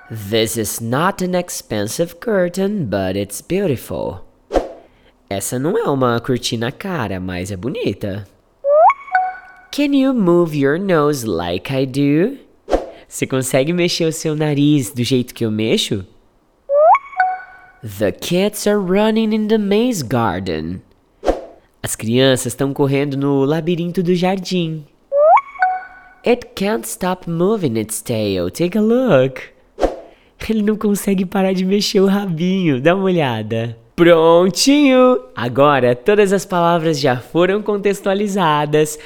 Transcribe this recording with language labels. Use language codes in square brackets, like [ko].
[en] This is not an expensive curtain, but it's beautiful. [pt] Essa não é uma cortina cara, mas é bonita. [en] Can you move your nose like I do? [pt] Você consegue mexer o seu nariz do jeito que eu mexo? [en] The kids are running in the maze garden. [pt] As crianças estão correndo no labirinto do jardim. [en] It can't stop moving its tail. Take a look. [pt] Ele não consegue parar de mexer o rabinho. Dá uma olhada. Prontinho! Agora, todas as palavras já foram contextualizadas.